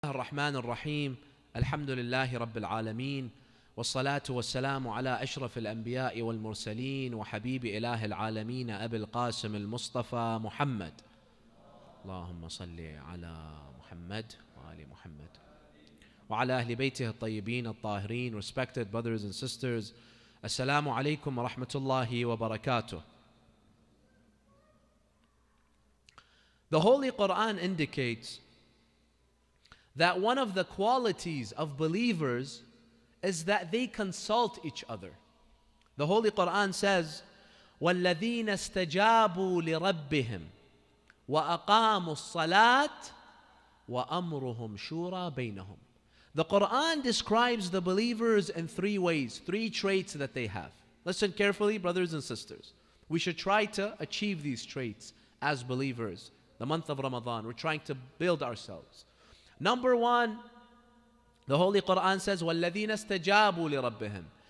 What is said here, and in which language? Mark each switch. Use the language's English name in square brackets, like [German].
[Arabic] الرحمن الرحيم الحمد لله رب العالمين والصلاة والسلام على أشرف الأنبياء والمرسلين وحبيب إله العالمين أبي القاسم المصطفى محمد اللهم صل على محمد وآل محمد وعلى أهل بيته الطيبين الطاهرين. [English] Respected brothers and sisters, [Arabic] السلام عليكم ورحمة الله وبركاته. [English] The Holy Quran indicates that one of the qualities of believers is that they consult each other. The Holy Quran says, [Arabic] وَالَّذِينَ اسْتَجَابُوا لِرَبِّهِمْ وَأَقَامُوا الصَّلَاةِ وَأَمْرُهُمْ شُورَى بَيْنَهُمْ. [English] The Quran describes the believers in three ways, three traits that they have. Listen carefully, brothers and sisters. We should try to achieve these traits as believers. The month of Ramadan, we're trying to build ourselves. Number one, the Holy Quran says, [Arabic] وَالَّذِينَ اسْتَجَابُوا لِرَبِّهِمْ.